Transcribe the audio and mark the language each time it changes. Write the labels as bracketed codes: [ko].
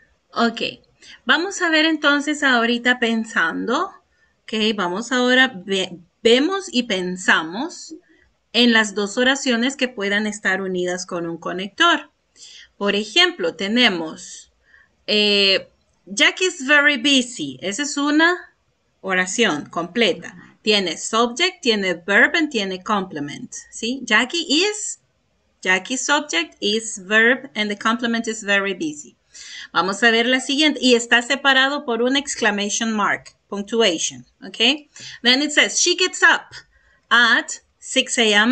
[es] Ok, vamos a ver entonces ahorita pensando, ok, vamos ahora, vemos y pensamos en las dos oraciones que puedan estar unidas con un conector. Por ejemplo, tenemos, [en] Jack is very busy, [es] esa es una oración completa. Tiene subject, tiene verb y tiene complement, ¿sí? [en] Jackie's subject is verb and the complement is very busy. [es] Vamos a ver la siguiente. Y está separado por un exclamation mark, punctuation, ¿ok? [en] Then it says, she gets up at 6 a.m.